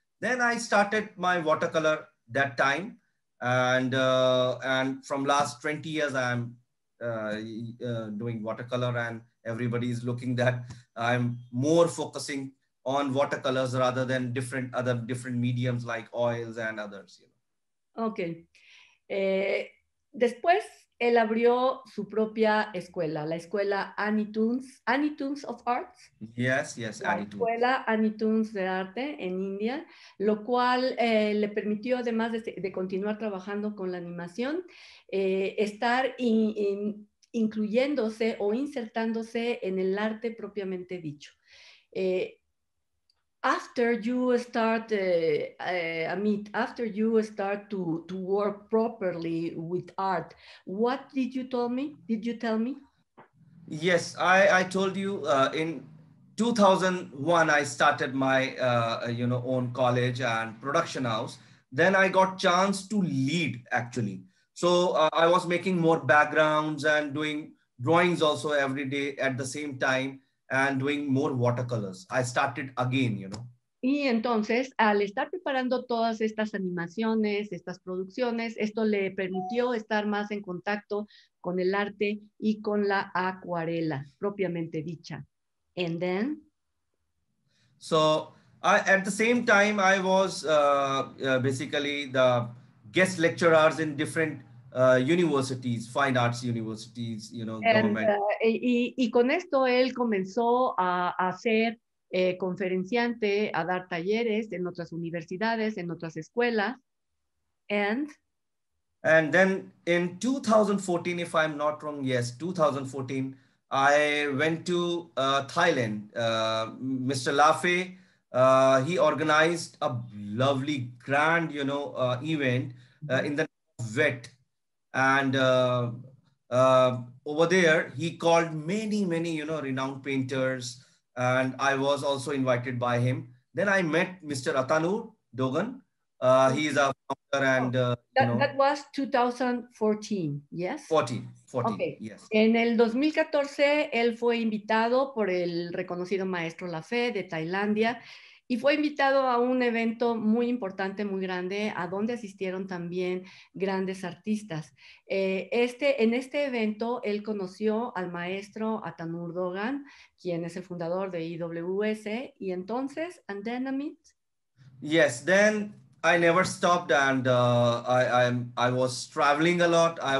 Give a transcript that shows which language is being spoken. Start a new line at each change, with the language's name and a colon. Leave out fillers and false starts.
English: Then I started my watercolor that time. And from last 20 years, I'm doing watercolor, and everybody is looking that I'm more focusing on watercolors rather than different mediums like oils and others, you know. Okay.
Spanish: Después, él abrió su propia escuela, la escuela Annie Tunes of Arts.
English: Yes, yes,
Spanish: la Annie escuela Tunes. Annie Tunes de Arte en India, lo cual le permitió, además de continuar trabajando con la animación, estar incluyéndose o insertándose en el arte propiamente dicho.
English: After you start to work properly with art, what did you tell me? Yes, I told you in 2001 I started my own college and production house. Then I got chance to lead actually. So I was making more backgrounds and doing drawings also every day at the same time. And doing more watercolors. I started again, you know.
Spanish: Y entonces, al estar preparando todas estas animaciones, estas producciones, esto le permitió estar más en contacto con el arte y con la acuarela, propiamente dicha.
English: And then? So, at the same time, I was basically the guest lecturers in different universities, fine arts universities, you know, government.
Spanish: Y con esto él comenzó a ser conferenciante, a dar talleres en otras universidades, en otras escuelas.
English: And then in 2014, if I'm not wrong, yes, 2014, I went to Thailand. Mr. Lafay, he organized a lovely grand, you know, event in the VET. And over there, he called many, many, you know, renowned painters. And I was also invited by him. Then I met Mr. Atanu Dogan. He is a founder and, That was 2014, yes? 14, okay. Yes.
Spanish: En el 2014, él fue invitado por el reconocido maestro Lafay de Tailandia. Y fue invitado a un evento muy importante, muy grande, a donde asistieron también grandes artistas. En este evento, él conoció al maestro Atanu Dogan, quien es el fundador de IWS. Y entonces,
English: and then
Spanish: Amit?
English: Yes, then I never stopped and I was traveling a lot.